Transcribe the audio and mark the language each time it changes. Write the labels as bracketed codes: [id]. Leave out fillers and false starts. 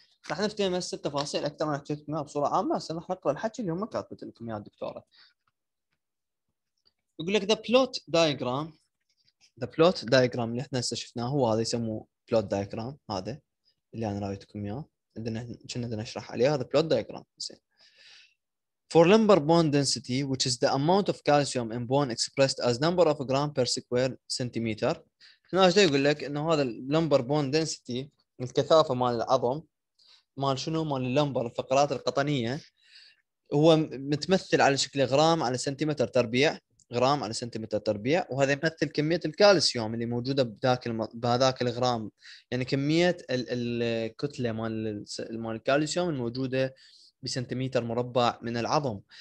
[ar] راح نفتهم هسه التفاصيل اكثر من حكيتكم بصوره عامه، بس راح نقرا الحكي اللي هم كاتبت لكم اياه الدكتوره. يقول لك ذا بلوت دايجرام، ذا بلوت دايجرام اللي احنا هسه شفناه هو هذا يسموه بلوت دايجرام، هذا اللي انا رايتكم اياه عندنا كنا نشرح عليه، هذا بلوت دايجرام. [en] For lumbar bone density, which is the amount of calcium in bone expressed as number of gram per square centimeter. [ar] هنا ايش يقول لك؟ انه هذا lumbar bone density، الكثافه مال العظم، مال شنو؟ مال اللمبر، الفقرات القطنيه، هو متمثل على شكل غرام على سنتيمتر تربيع، غرام على سنتيمتر تربيع، وهذا يمثل كميه الكالسيوم اللي موجوده بهذاك الغرام، يعني كميه الكتله مال الكالسيوم الموجوده بسنتيمتر مربع من العظم.